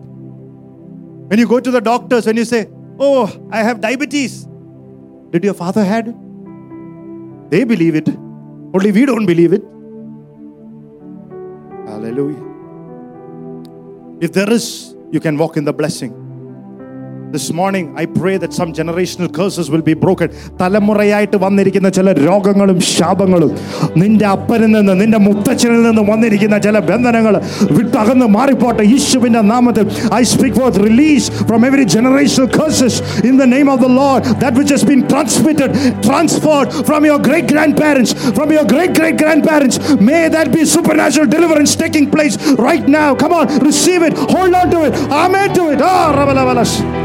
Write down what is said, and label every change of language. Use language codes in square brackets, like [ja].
[en] When you go to the doctors and you say, oh, I have diabetes. Did your father had? They believe it. Only we don't believe it. Hallelujah. If there is, you can walk in the blessing. This morning, I pray that some generational curses will be broken. [ml] തലമുറയായിട്ട് വന്നിരിക്കുന്ന ചില രോഗങ്ങളും ശാപങ്ങളും നിന്റെ അപ്പനിൽ നിന്ന് നിന്റെ മുത്തച്ഛനിൽ നിന്ന് വന്നിരിക്കുന്ന ചില ബന്ധനങ്ങൾ വിട്ടകന്ന് മാറിപ്പോട്ടെ യേശുവിന്റെ നാമത്തിൽ. [en] I speak forth release from every generational curses in the name of the Lord. That which has been transmitted, transferred from your great grandparents, from your great great grandparents, may that be supernatural deliverance taking place right now. Come on, receive it, hold on to it, amen to it. Ah, ravalavalas.